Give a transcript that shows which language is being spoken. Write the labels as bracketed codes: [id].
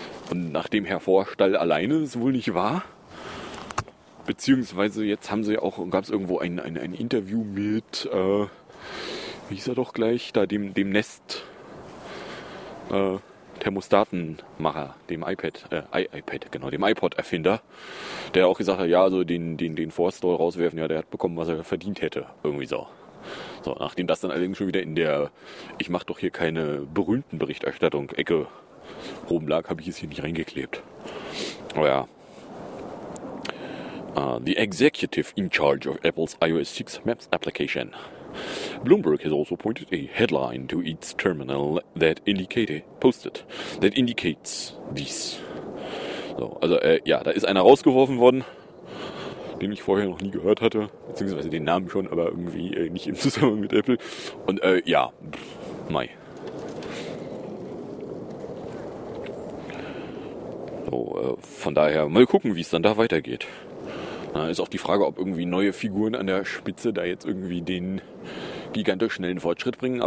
[de] Und nachdem Herr Vorstall alleine es wohl nicht war, beziehungsweise jetzt haben sie ja auch, gab es irgendwo ein Interview mit, wie hieß er doch gleich, da dem Nest-Thermostatenmacher, dem iPod-Erfinder, der auch gesagt hat, ja, also den Forstall rauswerfen, ja, der hat bekommen, was er verdient hätte, irgendwie so. So, nachdem das dann allerdings schon wieder in der, ich mach doch hier keine berühmten Berichterstattung-Ecke oben lag, habe ich es hier nicht reingeklebt. Aber ja. [en] The executive in charge of Apple's iOS 6 Maps application. Bloomberg has also pointed a headline to its terminal that indicates this. [de] So, also da ist einer rausgeworfen worden, den ich vorher noch nie gehört hatte, beziehungsweise den Namen schon, aber irgendwie nicht im Zusammenhang mit Apple. Und mei. So, von daher mal gucken, wie es dann da weitergeht. Ist auch die Frage, ob irgendwie neue Figuren an der Spitze da jetzt irgendwie den gigantisch schnellen Fortschritt bringen.